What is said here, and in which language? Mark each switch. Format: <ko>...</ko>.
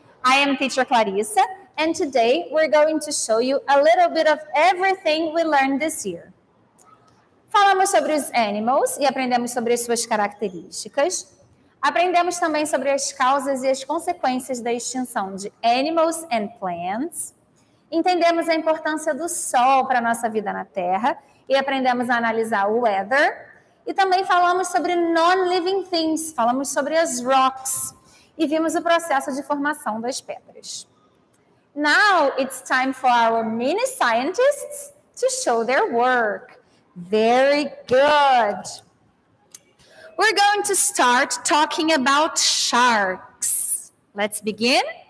<en>I am teacher Clarissa, and today we're going to show you a little bit of everything we learned this year.</en> <pt>Falamos sobre os animals e aprendemos sobre as suas características. Aprendemos também sobre as causas e as consequências da extinção de</pt> <en>animals and plants.</en> <pt>Entendemos a importância do sol para a nossa vida na Terra e aprendemos a analisar o weather. E também falamos sobre</pt> <en>non-living things,</en> <pt>falamos sobre as rocks e vimos o processo de formação das pedras.</pt> <en>Now it's time for our mini scientists to show their work. Very good. We're going to start talking about sharks. Let's begin.</en>